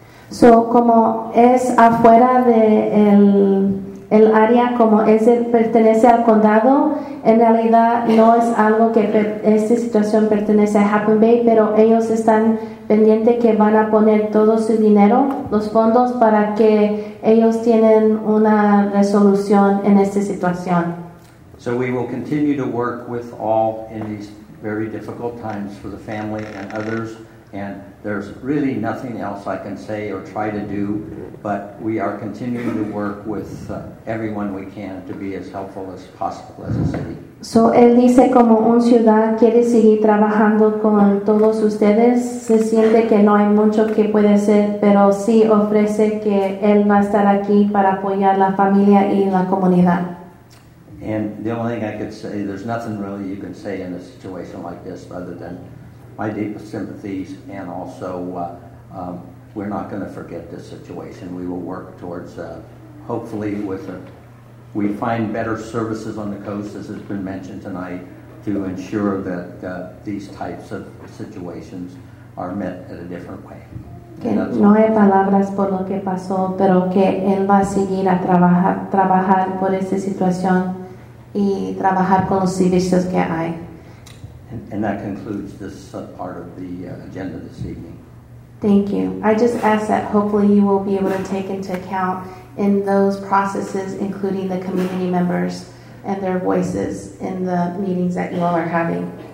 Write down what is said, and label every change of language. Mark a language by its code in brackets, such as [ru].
[es] So como es afuera de el área, como es pertenece al condado, en realidad no es algo que esta situación pertenece a Happen Bay, pero ellos están pendiente que van a poner todo su dinero, los fondos, para que ellos tienen una resolución en esta situación. [en] So we will continue to work with all in these very difficult times for the family and others, and there's really nothing else I can say or try to do, but we are continuing to work with everyone we can to be as helpful as possible as a city. [es] So él dice, como un ciudad quiere seguir trabajando con todos ustedes, se siente que no hay mucho que puede hacer, pero sí ofrece que él va a estar aquí para apoyar la familia y la comunidad. [en] And the only thing I could say, there's nothing really you can say in a situation like this other than my deepest sympathies, and also we're not going to forget this situation. We will work towards, hopefully, with a we find better services on the coast, as has been mentioned tonight, to ensure that these types of situations are met in a different way. [es] Que no hay palabras por lo que pasó, pero que él va a seguir a trabajar por esa situación y trabajar con los servicios que hay. [en] And that concludes this part of the agenda this evening. Thank you. I just ask that hopefully you will be able to take into account in those processes, including the community members and their voices in the meetings that you all are having.